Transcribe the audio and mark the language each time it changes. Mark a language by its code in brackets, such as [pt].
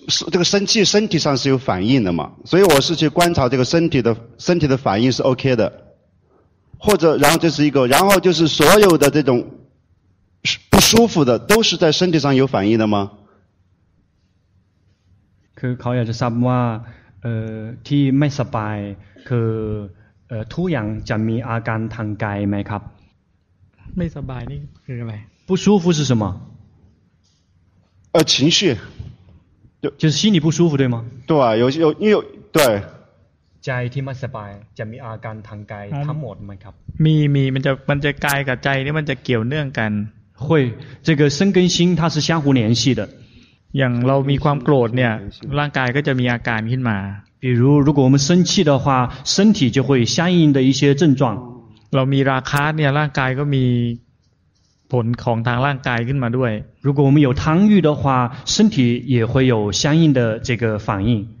[zh] 这个生气身体上是有反应的嘛，所以我是去观察这个身体的反应是 OK 的，或者然后这是一个，然后就是所有的这种不舒服的都是在身体上有反应的吗？ [th] คือเขาอยากจะทราบว่าที่ไม่สบายคือทุกอย่างจะมีอาการทางกายไหมครับ ไม่สบายนี่คืออะไร [zh] 不舒服是什么情绪就是心里不舒服对吗对有因为对 [th] ใจที่ไม่สบายจะมีอาการทางกายทั้งหมดไหมครับ มีมันจะกายกับใจนี่มันจะเกี่ยวเนื่องกัน [zh] 会这个身跟心它是相互联系的 [th] อย่างเรามีความโกรธเนี่ยร่างกายก็จะมีอาการขึ้นมา [zh] 比如如果我们生气的话身体就会相应的一些症状 [th] เรามีราคะเนี่ยร่างกายก็มีผลของทางร่างกายขึ้นมาด้วย [zh] 如果我们有贪欲的话身体也会有相应的这个反应